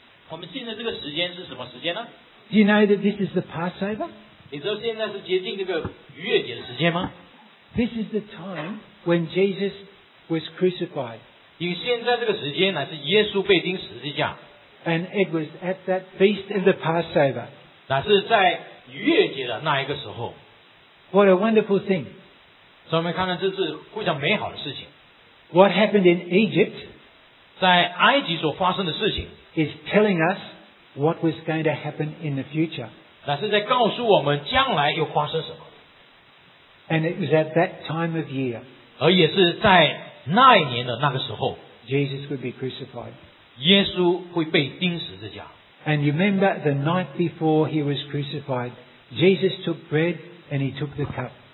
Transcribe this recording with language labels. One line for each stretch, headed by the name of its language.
Chinese: 我们现在这个时间是什么时间呢?
English: Do you know that this is the Passover?
Chinese: 你知道现在是接近这个逾越节的时间吗?
English: This is the time when Jesus was crucified.
Chinese: 与现在这个时间乃是耶稣被钉十字架.
English: And it was at that feast of the Passover.
Chinese: 乃是在逾越节的那一个时候.
English: What a wonderful thing.
Chinese: 所以我们看到这是非常美好的事情.
English: What happened in Egypt?
Chinese: 在埃及所发生的事情.
English: Is telling us what was going to happen in the future.
Chinese: 乃是在告诉我们将来又发生什么.
English: And it was at that time of year.
Chinese: 而也是在那一年的那个时候.
English: Jesus would be crucified.
Chinese: 耶稣会被钉十字架.
English: And remember the night before he was crucified, Jesus took bread and he took the cup.